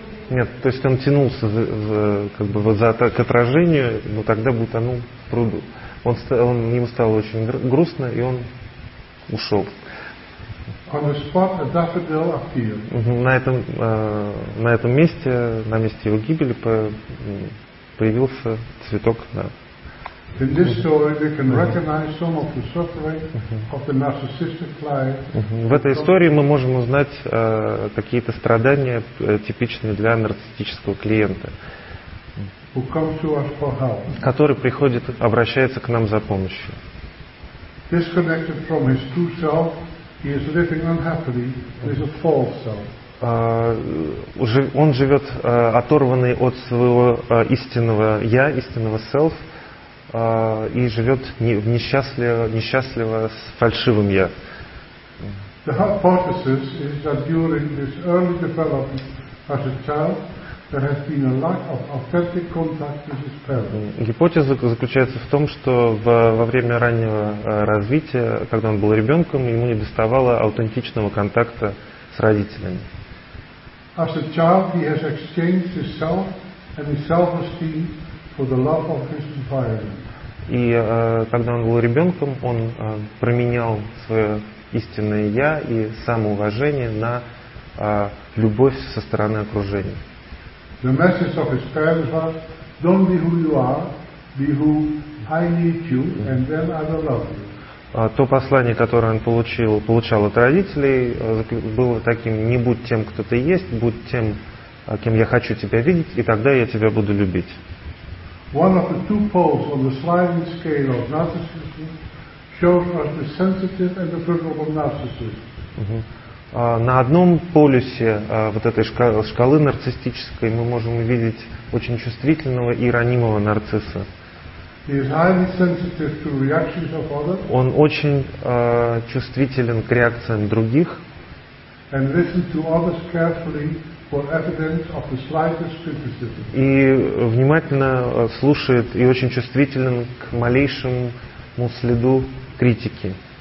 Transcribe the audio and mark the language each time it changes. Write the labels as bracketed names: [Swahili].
[Russian] Нет, то есть он тянулся как бы вот к отражению, но тогда бы утонул в пруду. Ему стало очень грустно, и он ушел. [English] On the spot a daffodil appeared. [Russian] На этом месте его гибели появился цветок, да. [English] In this story we can recognize some of the suffering of the narcissistic client. [Russian] В этой истории мы можем узнать какие-то страдания, типичные для нарциссического клиента. [English] Who comes to us for help. [Russian] Который приходит, обращается к нам за помощью. [English] Disconnected from his true self, he is living unhappily. He is a false self. [Russian] Он живет оторванный от своего истинного я, истинного self, и живет несчастливо с фальшивым я. [English] The hypothesis is that during his early development as a child, there has been a lack of authentic contact with his parents. [Russian] Гипотеза заключается в том, что во время раннего развития, когда он был ребенком, ему не доставало аутентичного контакта с родителями. [English] As a child, he has exchanged his self and his self-esteem for the love of his environment. [Russian] И когда он был ребенком, он променял свое истинное я и самоуважение на любовь со стороны окружения. [English] The message of his parents was, "Don't be who you are, be who I need you, and then I will love you." [Russian] То послание, которое он получал от родителей, было таким: не будь тем, кто ты есть, будь тем, кем я хочу тебя видеть, и тогда я тебя буду любить. [English] One of the two poles on the sliding scale of narcissism shows us the sensitive and the vulnerable narcissist. [Russian] На одном полюсе вот этой шкалы нарциссической мы можем увидеть очень чувствительного и ранимого нарцисса. [English] He is highly sensitive to reactions of others. [Russian] Он очень чувствителен к реакциям других. [English] And listen to others carefully for evidence of the slightest criticism. [Russian] И внимательно слушает и очень чувствителен к малейшему следу критики.